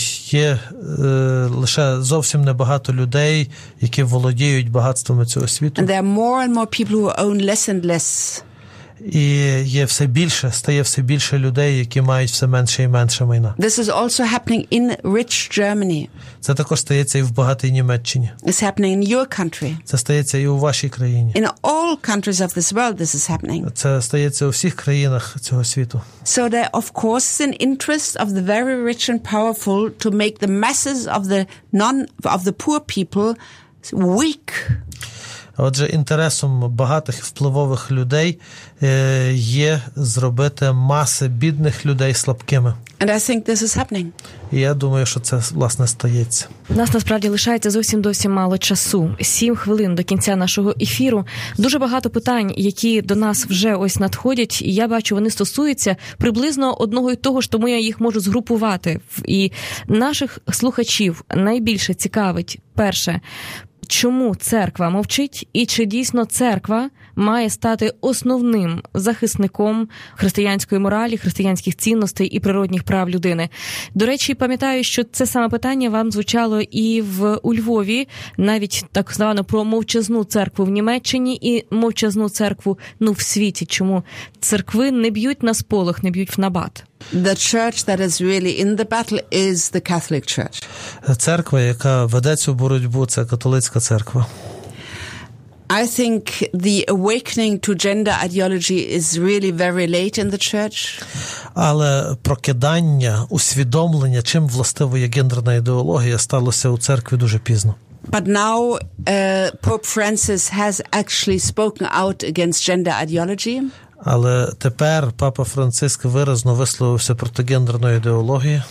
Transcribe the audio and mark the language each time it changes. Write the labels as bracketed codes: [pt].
[uk] Є лише зовсім небагато людей, які володіють багатствами цього світу. [en] And there are more and more people who own less and less. [uk] І є все більше, стає все більше людей, які мають все менше і менше майна. [en] This is also happening in rich Germany. [uk] Це також стається і в багатій Німеччині. [en] It's happening in your country. [uk] Це стається і у вашій країні. [en] In all countries of this world this is happening. [uk] Це стається у всіх країнах цього світу. [en] So there of course is an interest of the very rich and powerful to make the masses of the non of the poor people weak. [uk] Отже, інтересом багатих впливових людей є зробити маси бідних людей слабкими. [en] And I think this is happening. [uk] І я думаю, що це, власне, стається. У нас, насправді, лишається зовсім-досім мало часу. 7 хвилин до кінця нашого ефіру. Дуже багато питань, які до нас вже ось надходять, і я бачу, вони стосуються приблизно одного і того ж, тому я їх можу згрупувати. І наших слухачів найбільше цікавить, перше – чому церква мовчить і чи дійсно церква має стати основним захисником християнської моралі, християнських цінностей і природних прав людини? До речі, пам'ятаю, що це саме питання вам звучало і у Львові, навіть так звано про мовчазну церкву в Німеччині і мовчазну церкву в світі. Чому церкви не б'ють на сполох, не б'ють в набат? [en] The church that is really in the battle is the Catholic Church. [uk] Церква, яка веде цю боротьбу, це католицька церква. [en] I think the awakening to gender ideology is really very late in the church. [uk] Але прокидання, усвідомлення, чим властиво є гендерна ідеологія, сталося у церкві дуже пізно. [en] But now Pope Francis has actually spoken out against gender ideology. [uk] Але тепер папа Франциск виразно висловився проти гендерної ідеології.